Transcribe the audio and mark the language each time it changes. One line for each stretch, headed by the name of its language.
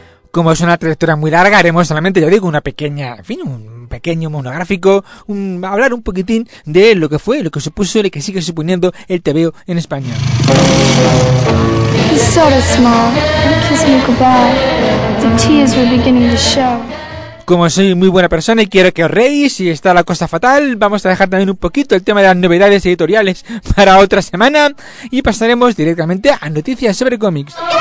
Spanish: Como es una trayectoria muy larga, haremos solamente, ya digo, una pequeña, en fin, un pequeño monográfico, hablar un poquitín de lo que fue, lo que supuso y que sigue suponiendo el TVO en España.
English: He's so small. He kissed me goodbye. The tears were beginning to show.
Spanish: Como soy muy buena persona y quiero que os reís, y está la cosa fatal, vamos a dejar también un poquito el tema de las novedades editoriales para otra semana y pasaremos directamente a noticias sobre cómics.